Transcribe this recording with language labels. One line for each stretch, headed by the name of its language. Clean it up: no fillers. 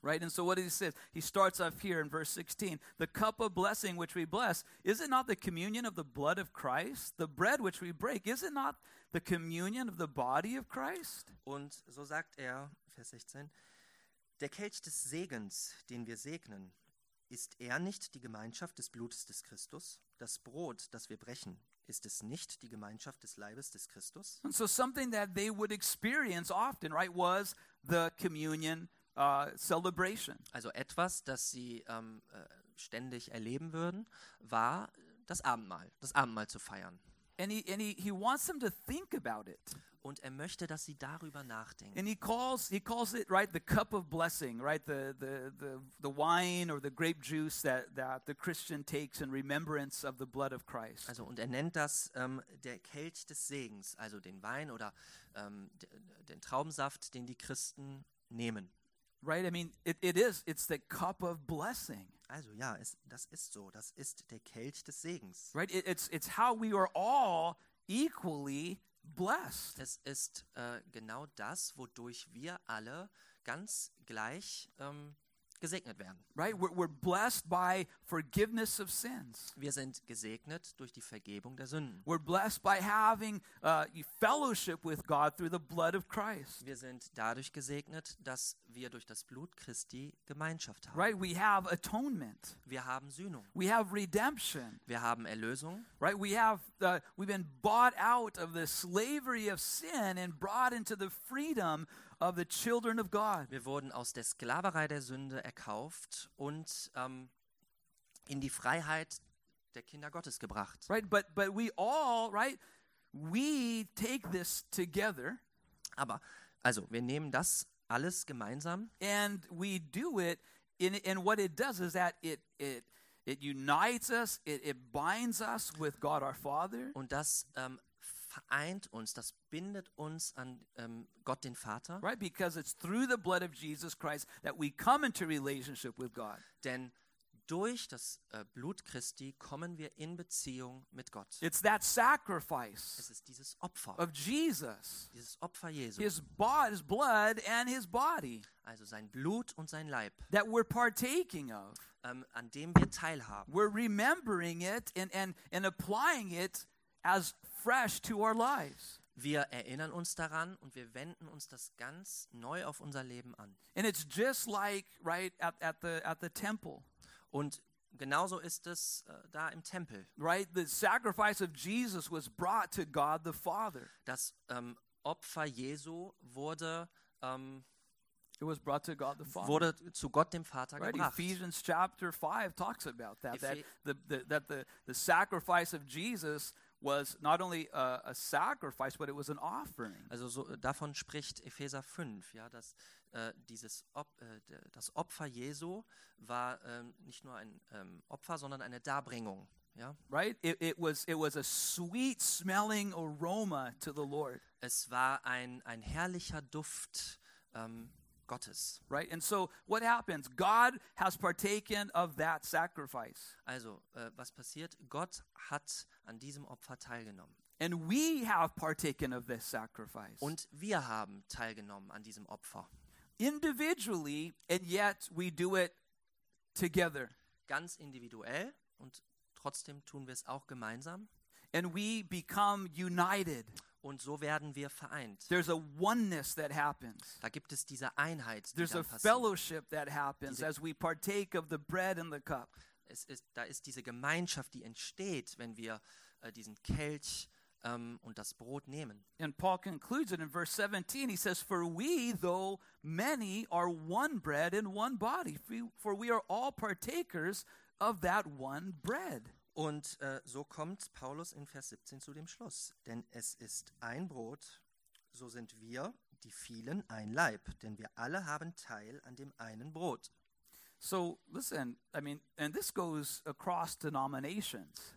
English: Right, and so what he says, he starts off here in verse 16. The cup of blessing which we bless, is it not the communion of the blood of Christ? The bread which we break, is it not the communion of the body of Christ?
German: Und so sagt er, Vers 16, der Kelch des Segens, den wir segnen, ist er nicht die Gemeinschaft des Blutes des Christus? Das Brot, das wir brechen, ist es nicht die Gemeinschaft des Leibes des Christus?
English: And so something that they would experience often, right, was the communion celebration.
German: Also etwas, das sie ständig erleben würden, war das Abendmahl zu feiern.
English: And he wants them to think about it.
German: Und er möchte, dass sie darüber nachdenken.
English: And he calls it, right, the cup of blessing, right, the wine or the grape juice that the Christian takes in remembrance of the blood of Christ.
German: Also und er nennt das der Kelch des Segens, also den Wein oder den Traubensaft, den die Christen nehmen.
English: Right? I mean, it is. It's the cup of blessing.
German: Also ja, das ist so. Das ist der Kelch des Segens.
English: Right? It's how we are all equally blessed.
German: Es ist genau das, wodurch wir alle ganz gleich gesegnet werden.
English: Right? We're blessed by forgiveness of sins.
German: Wir sind gesegnet durch die Vergebung der Sünden.
English: We're blessed by having fellowship with God through the blood of Christ.
German: Wir sind dadurch gesegnet, dass wir durch das Blut Christi Gemeinschaft haben.
English: Right? We have atonement.
German: Wir haben Sühnung.
English: We have redemption.
German: Wir haben Erlösung.
English: Right? We've been bought out of the slavery of sin and brought into the freedom of the children of God.
German: Wir wurden aus der Sklaverei der Sünde erkauft und in die Freiheit der Kinder Gottes gebracht.
English: Right, but we all, right, we take this together.
German: Aber also, wir nehmen das alles gemeinsam.
English: And we do it and what it does is that it unites us, it binds us with God our Father.
German: Und das vereint uns, das bindet uns an Gott den Vater.
English: Right, because it's through the blood of Jesus Christ that we come into relationship with God.
German: Denn durch das Blut Christi kommen wir in Beziehung mit Gott.
English: It's that sacrifice.
German: Es ist dieses Opfer.
English: Of Jesus.
German: Dieses Opfer Jesu.
English: His blood and his body.
German: Also sein Blut und sein Leib.
English: That we're partaking of.
German: An dem wir teilhaben.
English: We're remembering it and applying it as fresh to our lives.
German: Wir erinnern uns daran und wir wenden uns das ganz neu auf unser Leben an.
English: And it's just like right at the temple.
German: Und genauso ist es da im Tempel.
English: Right, the sacrifice of Jesus was brought to God the Father.
German: Das Opfer Jesu wurde
English: it was brought to God the Father.
German: Wurde zu Gott dem Vater
English: right,
German: gebracht.
English: Ephesians chapter 5 talks about that the sacrifice of Jesus was not only a sacrifice, but it was an offering.
German: Also so, davon spricht Epheser 5, ja, dass das Opfer Jesu war nicht nur ein Opfer, sondern eine Darbringung. Ja?
English: Right? It was a sweet-smelling aroma to the Lord.
German: Es war ein herrlicher Duft Gottes.
English: Right? And so, what happens? God has partaken of that sacrifice.
German: Also, was passiert? Gott hat an diesem Opfer teilgenommen.
English: And we have partaken of this sacrifice.
German: Und wir haben teilgenommen an diesem Opfer.
English: Individually, and yet we do it together.
German: Ganz individuell und trotzdem tun wir es auch gemeinsam.
English: And we become united.
German: Und so werden wir vereint.
English: There's a oneness that happens.
German: Da gibt es diese Einheit, die dann passiert.
English: Fellowship that happens as we partake of the bread and the cup.
German: Da ist diese Gemeinschaft, die entsteht, wenn wir diesen Kelch und das Brot nehmen.
English: And Paul concludes it in verse 17. He says, "For we, though many, are one bread and one body. For we are all partakers of that one bread."
German: Und so kommt Paulus in Vers 17 zu dem Schluss. Denn es ist ein Brot, so sind wir, die vielen, ein Leib. Denn wir alle haben Teil an dem einen Brot.
English: So, listen, I mean, and this goes across denominations.